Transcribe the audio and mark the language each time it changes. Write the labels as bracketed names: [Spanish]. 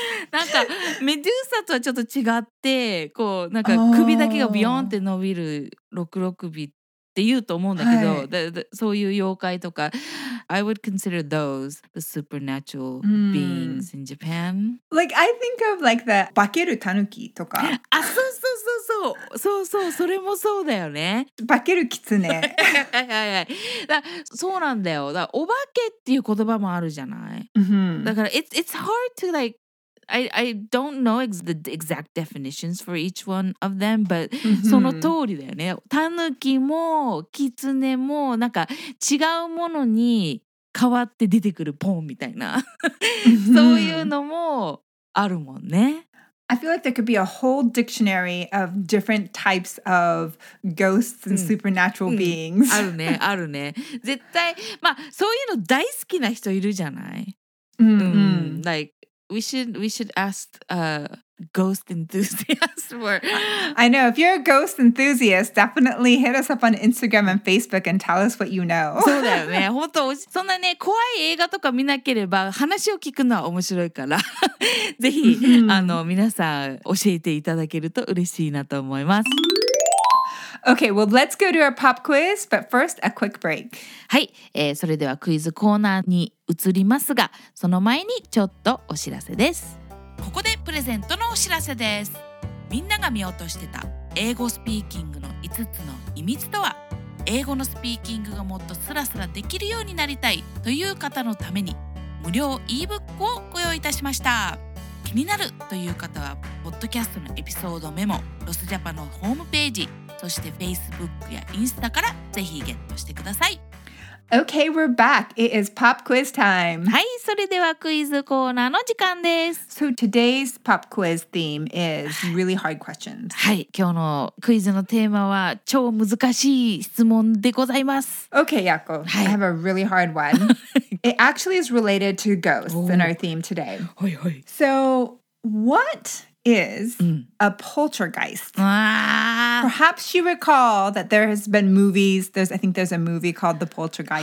[Japanese] なんかメドゥーサとはちょっと違って、こうなんか首だけがビョーンって伸びる六六尾って言うと思うんだけど、はい、そういう妖怪とか。 [English] I would consider those the supernatural beings in Japan. Like, I think of like the Bakeru Tanuki とか。 [Japanese] あ、そうそうそうそう。そうそう、それもそうだよね。 Bakeru Kitsune。はいはいはい。そうなんだよ。だお化けっていう言葉もあるじゃない。だから、 [English] it's hard to like, I don't know the exact definitions for each one of them, but [Japanese] その通りだよね。タヌキもキツネもなんか違うものに変わって出てくるポンみたいな。そういうのもあるもんね。 [English] I feel like there could be a whole dictionary of different types of ghosts and supernatural beings. [Japanese] あるね、あるね。絶対、まあそういうの大好きな人いるじゃない。 [English] Like,We should ask a ghost enthusiast for. I know. If you're a ghost enthusiast, definitely hit us up on Instagram and Facebook and tell us what you know. [Japanese] そうだよね。本当、そんなね、怖い映画とか見なければ話を聞くのは面白いから。ぜひ、あの、皆さん教えていただけると嬉しいなと思います。 [English] Okay, well, let's go to our pop quiz, but first, a quick break. [Japanese] はい、それではクイズコーナーに移りますが、その前にちょっとお知らせです。ここでプレゼントのお知らせです。みんなが見落としてた英語スピーキングの5つの秘密とは、英語のスピーキングがもっとスラスラできるようになりたいという方のために、無料 e-book をご用意いたしました。気になるという方はポッドキャストのエピソードメモ、ロスジャパのホームページ、そして Facebook やインスタからぜひゲットしてください。 [English] Okay, we're back. It is pop quiz time. [Japanese] はい、それではクイズコーナーの時間です。 [English] So today's pop quiz theme is really hard questions. [Japanese] はい、今日のクイズのテーマは超難しい質問でございます。 [English] Okay, Yako,、 [Japanese] はい、 [English] I have a really hard one. It actually is related to ghosts in our theme today. [Japanese] はいはい。 [English] So what is a poltergeist? Perhaps you recall that there has been movies. I think there's a movie called The Poltergeist.